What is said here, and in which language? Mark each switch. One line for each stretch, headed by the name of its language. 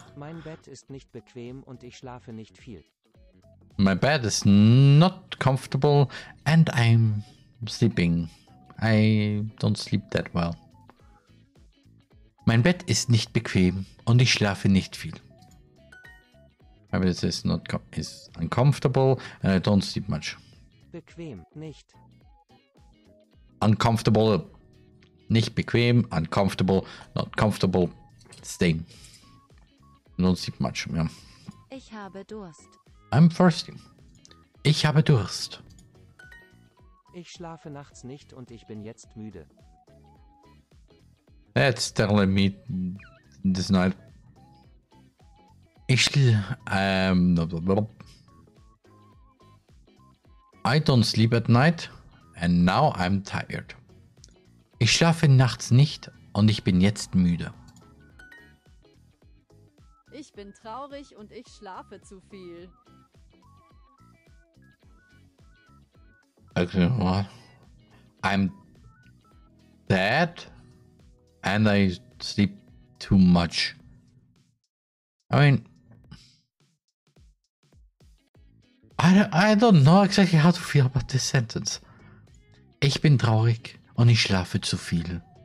German: Mein Bett ist nicht bequem und ich schlafe nicht viel.
English: My bed is not comfortable and I'm sleeping. I don't sleep that well.
German: Mein Bett ist nicht bequem und ich schlafe nicht viel.
English: My bed is not is uncomfortable and I don't sleep much.
German: Bequem, nicht.
English: Uncomfortable,
German: nicht bequem,
English: uncomfortable, not comfortable, stay. Don't sleep much, yeah.
German: Ich habe Durst.
English: I'm thirsty.
German: Ich habe Durst. Ich schlafe nachts nicht und ich bin jetzt müde.
English: That's telling me this night. I don't sleep at night and now I'm tired.
German: Ich schlafe nachts nicht und ich bin jetzt müde. Ich bin traurig und ich schlafe zu viel.
English: Okay, what? I'm sad and I sleep too much. I mean, I don't know exactly how to feel about this sentence.
German: Ich bin traurig und ich schlafe zu viel.